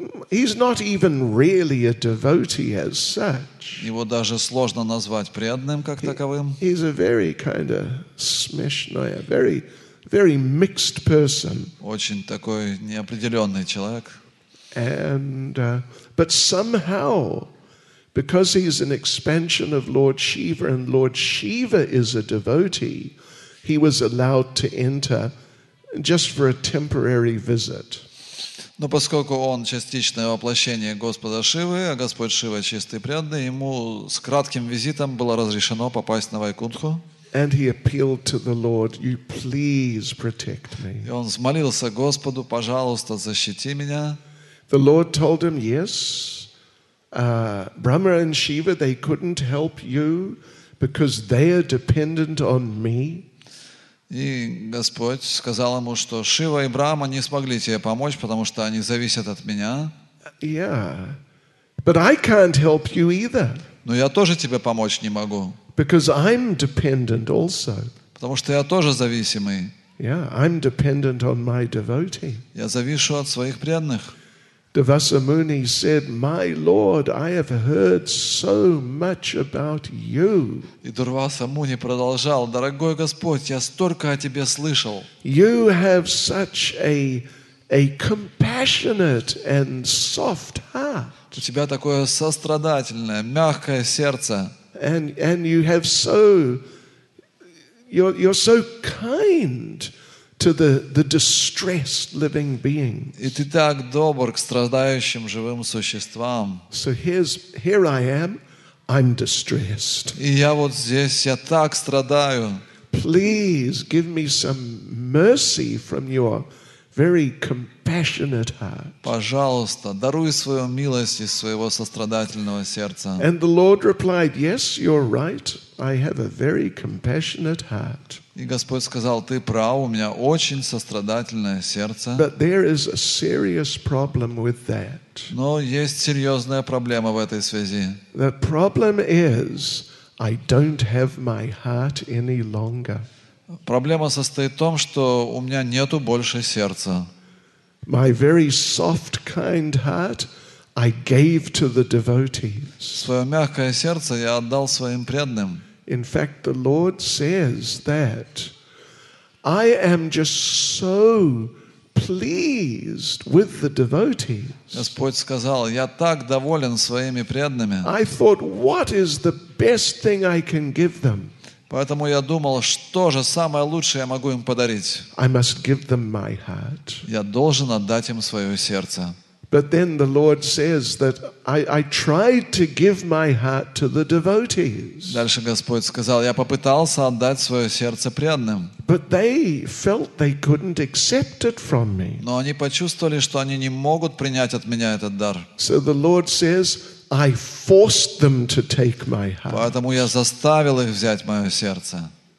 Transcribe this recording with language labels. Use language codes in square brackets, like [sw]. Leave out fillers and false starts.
[en] He's not even really a devotee as such. [ru] Его даже сложно назвать преданным как таковым. [en] He's a very kind of smishnoy, a very, very mixed person. [ru] Очень такой неопределенный человек. [en] And but somehow, because he's an expansion of Lord Shiva, and Lord Shiva is a devotee, he was allowed to enter just for a temporary visit. [ru] Но поскольку он частичное воплощение Господа Шивы, а Господь Шива чистый преданный, ему с кратким визитом было разрешено попасть на Вайкунху. [en] And he appealed to the Lord, you please protect me. [ru] И он взмолился Господу, пожалуйста, защити меня. [en] The Lord told him, yes, Brahma and Shiva, they couldn't help you because they are dependent on me. [ru] И Господь сказал ему, что Шива и Брама не смогли тебе помочь, потому что они зависят от меня. [en] Yeah. But I can't help you either. [ru] Но я тоже тебе помочь не могу. [en] Because I'm dependent also. [ru] Потому что я тоже зависимый. [en] Yeah, I'm dependent on my devotee. [ru] Я завишу от своих преданных. [en] Devasamuni said, "My Lord, I have heard so much about you." [ru] И Дурвасамуни продолжал, дорогой Господь, я столько о тебе слышал. [en] You have such a compassionate and soft heart. [ru] У тебя такое сострадательное, мягкое сердце. [en] And you have so you're so kind. to the distressed living being. [ru] И ты так добр к страдающим живым существам. [en] So here I am, I'm distressed. [ru] И я вот здесь, я так страдаю. [en] Please give me some mercy from your very compassionate heart. [ru] Пожалуйста, даруй свою милость из своего сострадательного сердца. [en] And the Lord replied, "Yes, you're right. I have a very compassionate heart." [ru] И Господь сказал: "Ты прав, у меня очень сострадательное сердце." [en] But there is a serious problem with that. [ru] Но есть серьезная проблема в этой связи. [en] The problem is I don't have my heart any longer. [ru] Проблема состоит в том, что у меня нету больше сердца. [en] My very soft, kind heart I gave to the devotees. [ru] Свое мягкое сердце я отдал своим преданным. [en] In fact, the Lord says that I am just so pleased with the devotees. [ru] Господь сказал: "Я так доволен своими преданными." [en] I thought, what is the best thing I can give them? [ru] Поэтому я думал, что же самое лучшее я могу им подарить? [en] I must give them my heart. [ru] Я должен отдать им свое сердце. [en] But then the Lord says that I tried to give my heart to the devotees. [ru] Дальше Господь сказал: "Я попытался отдать своё сердце преданным." [en] But they felt they couldn't accept it from me. [ru] Но они почувствовали, что они не могут принять от меня этот дар. [en] So the Lord says, "I forced them to take my heart." [ru] Поэтому я заставил их взять моё сердце.